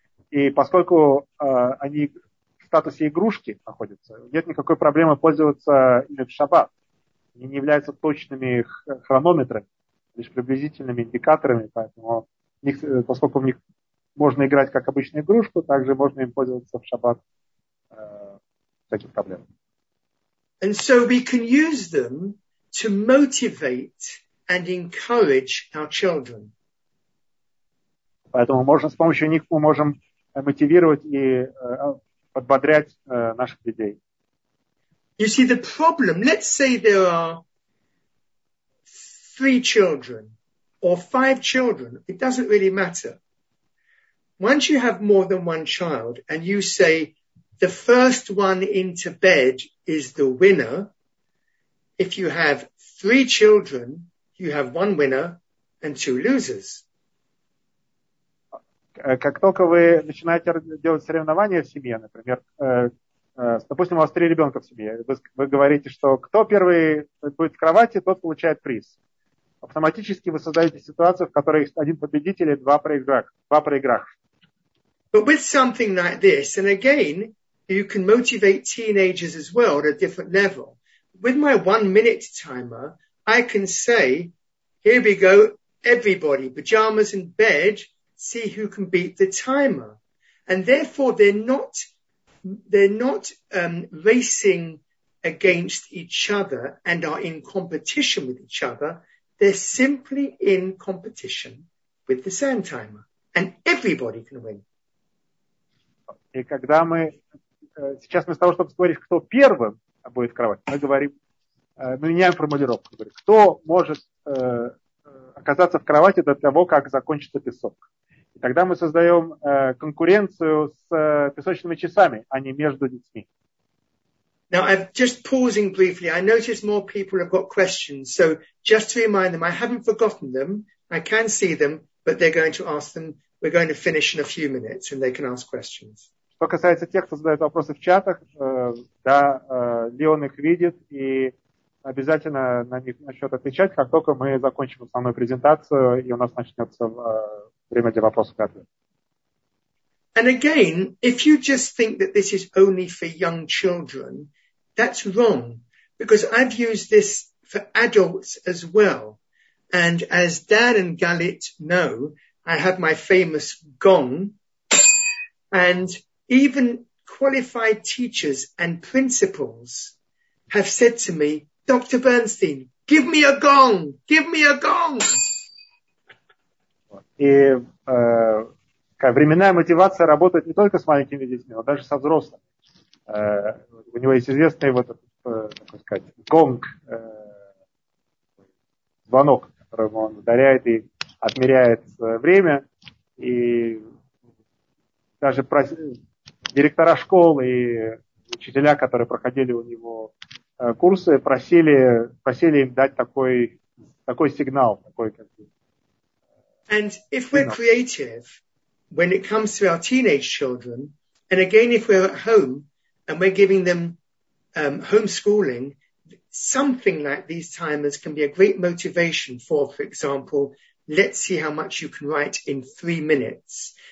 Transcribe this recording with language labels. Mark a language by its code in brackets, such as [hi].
[ru] И поскольку они в статусе игрушки находятся, нет никакой проблемы пользоваться ими в Шаббат. Они не являются точными хронометрами, лишь приблизительными индикаторами, поэтому поскольку в них можно играть как обычную игрушку, также можно им пользоваться в шаббат таких проблем. [en] And so we can use them to motivate and encourage our children. [ru] Поэтому можно, с помощью них мы можем мотивировать и подбодрять наших детей. [en] You see the problem, let's say there are 3 children or 5 children, it doesn't really matter. Once you have more than one child and you say the first one into bed is the winner, if you have 3 children, you have 1 winner and 2 losers. [ru] Как только вы начинаете делать соревнования в семье, например, Допустим, у вас три ребенка в семье. Вы говорите, что кто первый будет в кровати, тот получает приз. Автоматически вы создаете ситуацию, в которой один победитель и два проиграх. [en] But with something like this, and again, you can motivate teenagers as well at a different level. With my 1 minute timer, I can say, here we go, everybody, pajamas and bed, see who can beat the timer. And therefore, they're not racing against each other and are in competition with each other. They're simply in competition with the sand timer. And everybody can win. [ru] И когда мы, сейчас вместо того, чтобы говорить, кто первым будет в кровати, мы говорим, мы меняем формулировку. Говорим, кто может оказаться в кровати до того, как закончится песок. И тогда мы создаем конкуренцию с песочными часами, а не между детьми. [en] Now, I'm just pausing briefly. I notice more people have got questions. So, just to remind them, I haven't forgotten them. I can see them, but they're going to ask them. We're going to finish in a few minutes and they can ask questions. [ru] Что касается тех, кто задает вопросы в чатах, да, Леон их видит и обязательно на них начнет отвечать, как только мы закончим основную презентацию и у нас начнется время для вопросов и ответов. [en] And again, if you just think that this is only for young children, that's wrong. Because I've used this for adults as well. And as Dad and Galit know, I have my famous gong, and even qualified teachers and principals have said to me, Dr. Bernstein, give me a gong! Give me a gong! [ru] И временная мотивация работает не только с маленькими детьми, но даже со взрослыми. У него есть известный вот этот, так сказать, гонг, звонок, которым он ударяет и отмеряет время, и даже директора школ и учителя, которые проходили у него курсы, просили им дать такой сигнал. [en] And if we're creative, when it comes to our teenage children, and again, if we're at home, and we're giving them homeschooling, something like these timers can be a great motivation for example, let's see how much you can write in 3 minutes.